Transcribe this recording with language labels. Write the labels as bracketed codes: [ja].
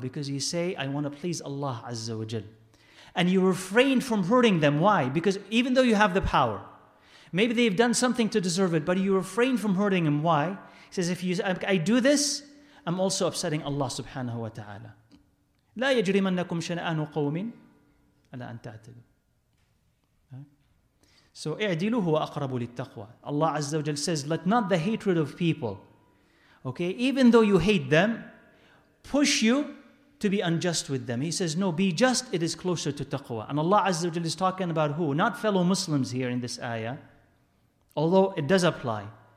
[en] Because you say, I want to please Allah Azza wa Jal. And you refrain from hurting them. Why? Because even though you have the power, maybe they've done something to deserve it, but you refrain from hurting him. Why? He says, if I do this, I'm also upsetting Allah subhanahu wa ta'ala. [ar] لا يجرمنكم شنآن قوم على أن تعتدوا. So, اعدلوا هو أقرب للتقوى. [en] Allah Azza wa Jal says, let not the hatred of people, okay, even though you hate them, push you to be unjust with them. He says, no, be just, it is closer to taqwa. And Allah Azza wa Jal is talking about who? Not fellow Muslims here in this ayah, although it does apply.